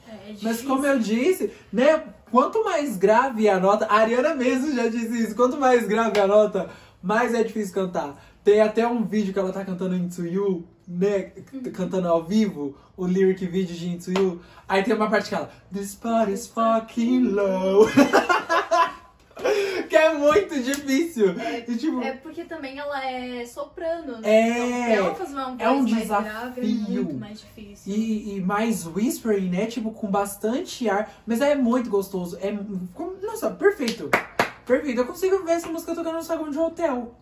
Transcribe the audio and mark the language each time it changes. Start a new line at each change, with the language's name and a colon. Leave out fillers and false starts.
Portuguese: É, mas como eu disse, né, quanto mais grave a nota... A Ariana mesmo já disse isso. Quanto mais grave a nota, mais é difícil cantar. Tem até um vídeo que ela tá cantando Into You, né, cantando ao vivo, o lyric video de Into You. Aí tem uma parte que ela...
English: This part is fucking low.
Portuguese: Que é muito difícil. É, e, tipo, é porque também ela é soprano, é, né? Então, é um desafio. Mais grave, é muito mais difícil. E mais whispering, né? Tipo, com bastante ar. Mas é muito gostoso. É, nossa, perfeito. Perfeito. Eu consigo ver essa música tocando no saguão de hotel.